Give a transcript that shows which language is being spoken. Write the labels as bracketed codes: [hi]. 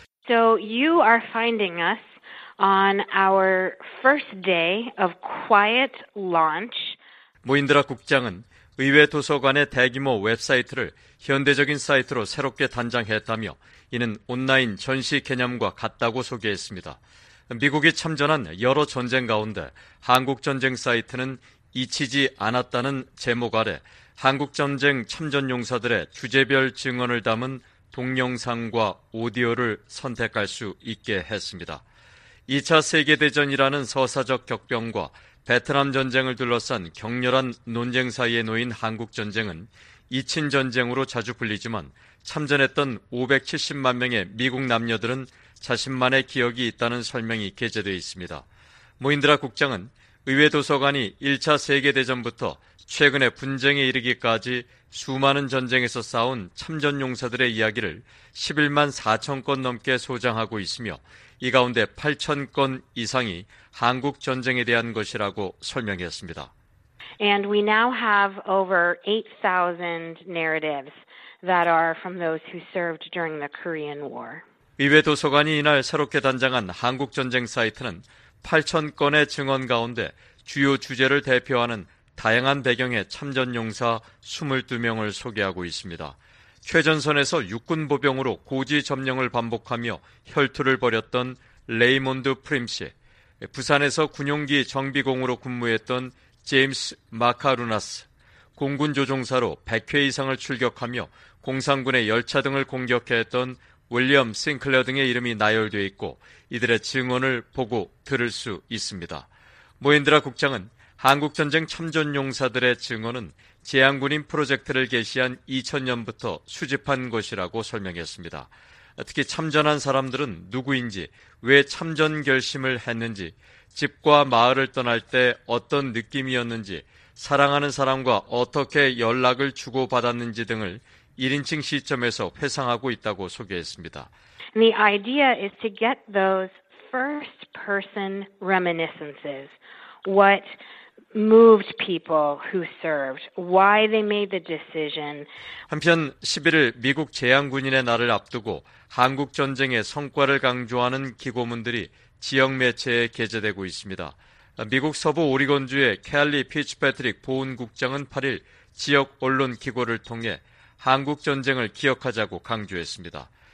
[en] So you are finding us on our first day of quiet launch. [ko] 모인드라 국장은 의회 도서관의 대규모 웹사이트를 현대적인 사이트로 새롭게 단장했다며 이는 온라인 전시 개념과 같다고 소개했습니다. 미국이 참전한 여러 전쟁 가운데 한국전쟁 사이트는 잊히지 않았다는 제목 아래 한국전쟁 참전 용사들의 주제별 증언을 담은 동영상과 오디오를 선택할 수 있게 했습니다. 2차 세계대전이라는 서사적 격변과 베트남 전쟁을 둘러싼 격렬한 논쟁 사이에 놓인 한국전쟁은 이친전쟁으로 자주 불리지만 참전했던 570만 명의 미국 남녀들은 자신만의 기억이 있다는 설명이 게재되어 있습니다. 모인드라 국장은 의회 도서관이 1차 세계대전부터 최근에 분쟁에 이르기까지 수많은 전쟁에서 싸운 참전 용사들의 이야기를 11만 4천 건 넘게 소장하고 있으며 이 가운데 8천 건 이상이 한국 전쟁에 대한 것이라고 설명했습니다. [en] And we now have over 8,000 narratives that are from those who served during the Korean War. [ko] 의회 도서관이 이날 새롭게 단장한 한국 전쟁 사이트는 8천 건의 증언 가운데 주요 주제를 대표하는 다양한 배경의 참전 용사 22명을 소개하고 있습니다. 최전선에서 육군 보병으로 고지 점령을 반복하며 혈투를 벌였던 레이몬드 프림 씨, 부산에서 군용기 정비공으로 근무했던 제임스 마카루나스, 공군 조종사로 100회 이상을 출격하며 공산군의 열차 등을 공격했던 윌리엄 싱클레어 등의 이름이 나열되어 있고 이들의 증언을 보고 들을 수 있습니다. 모인드라 국장은 한국전쟁 참전 용사들의 증언은 재향군인 프로젝트를 개시한 2000년부터 수집한 것이라고 설명했습니다. 특히 참전한 사람들은 누구인지, 왜 참전 결심을 했는지, 집과 마을을 떠날 때 어떤 느낌이었는지, 사랑하는 사람과 어떻게 연락을 주고받았는지 등을 1인칭 시점에서 회상하고 있다고 소개했습니다. [en] The idea is to get those first-person reminiscences. What moved people who served, why they made the decision. [ko] 한편 11일 미국 재향군인의 날을 앞두고 한국 전쟁의 성과를 강조하는 기고문들이 지역 매체에 게재되고 있습니다. 미국 서부 오리건주의 캘리 피츠패트릭 보훈국장은 8일 지역 언론 기고를 통해 한국 전쟁을 기억하자고 강조했습니다.